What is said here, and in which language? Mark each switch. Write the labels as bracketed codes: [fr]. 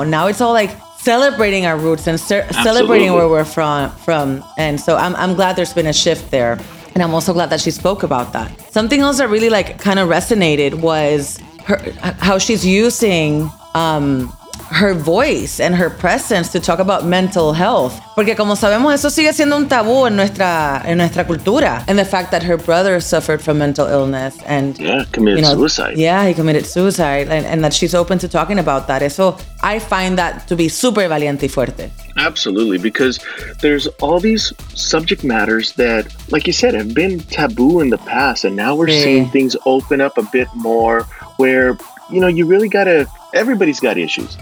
[en] And now it's all like celebrating our roots and celebrating where we're from. And so I'm glad there's been a shift there. And I'm also glad that she spoke about that. Something else that really like kind of resonated was how she's using her voice and her presence to talk about mental health. [es] Porque como sabemos, eso sigue siendo un tabú en nuestra cultura. [en] And the fact that her brother suffered from mental illness and committed suicide. Yeah, he committed suicide, and that she's open to talking about that. So I find that to be super valiente y fuerte. Absolutely, because there's all these subject matters that, like you said, have been taboo in the past, and now we're seeing things open up a bit more where, you know, you really gotta, everybody's got issues.